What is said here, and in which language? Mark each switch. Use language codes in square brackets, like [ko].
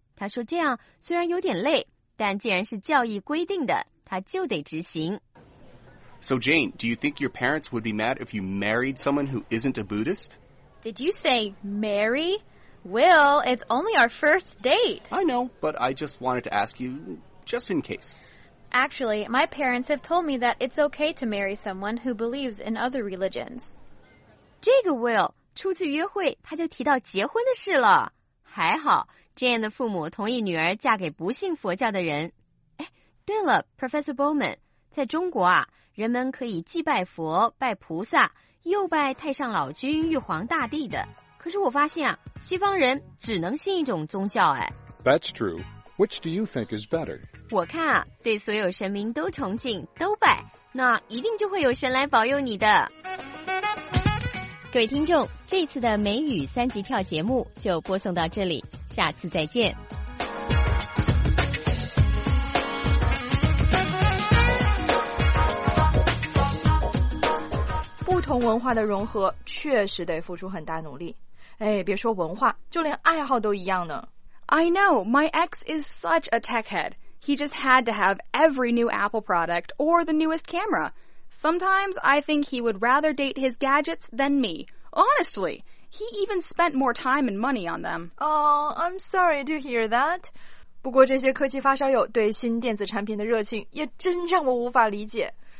[zh] 他说这样虽然有点累，但既然是教义规定的，他就得执行。 [en] So Jane, do you think your parents would be mad if you married someone who isn't a Buddhist? Did you say marry? Will, it's only our first date. I know, but I just wanted to ask you, just in case. Actually, my parents have told me that it's okay to marry someone who believes in other religions. [zh] 这个 Will, 初次约会他就提到结婚的事了。还好 ,Jane 的父母同意女儿嫁给不信佛教的人。哎，对了 ,Professor Bowman, 在中国啊，人们可以既拜佛拜菩萨又拜太上老君玉皇大帝的。可是我发现啊，西方人只能信一种宗教哎。 [en] That's true. Which do you think is better? [zh] 我看啊，对所有神明都崇敬都拜，那一定就会有神来保佑你的。各位听众，这次的美语三级跳节目就播送到这里，下次再见。不同文化的融合确实得付出很大努力。哎，别说文化，就连爱好都一样呢。 [en] I know, my ex is such a tech head. He just had to have every new Apple product or the newest camera. Sometimes I think he would rather date his gadgets than me. Honestly, he even spent more time and money on them. Oh, I'm sorry to hear that. [zh] 不过这些科技发烧友对新电子产品的热情也真让我无法理解。